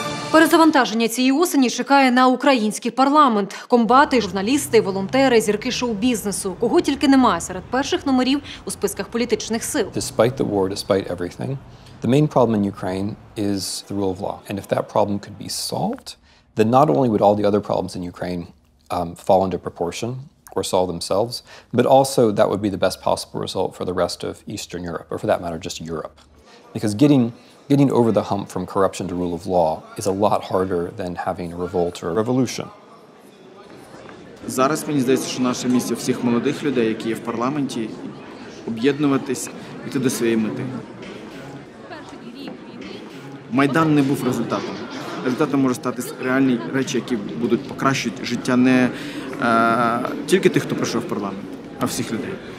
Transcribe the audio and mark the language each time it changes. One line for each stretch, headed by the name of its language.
Ukrainian: Перезавантаження цієї осені чекає на український парламент. Комбати, журналісти, волонтери, зірки шоу-бізнесу. Кого тільки немає серед перших номерів у списках політичних сил.
English: Despite the war, despite everything, the main problem in Ukraine is the rule of law. And if that problem could be solved, then not only would all the other problems in Ukraine fall into proportion or solve themselves, but also that would be the best possible result for the rest of Eastern Europe, or for that matter, just Europe. Because Getting over the hump from corruption to rule of law is a lot harder than having a revolt or a revolution.
Ukrainian: Зараз мені здається, що наше місце всіх молодих людей, які є в парламенті, об'єднуватись і йти до своєї мети. Майдан не був результатом. Результатом може стати реальні речі, які будуть покращувати життя не тільки тих, хто пройшов парламент, а всіх людей.